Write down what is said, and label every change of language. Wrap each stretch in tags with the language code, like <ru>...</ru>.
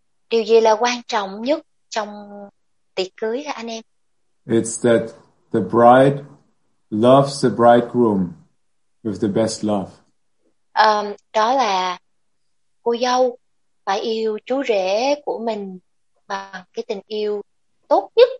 <vi>Điều gì là quan trọng nhất trong tiệc cưới hả anh em?</vi> <en>It's that the bride loves the bridegroom with the best love.</en> <vi>Đó là cô dâu phải yêu chú rể của mình bằng cái tình yêu tốt nhất.</vi>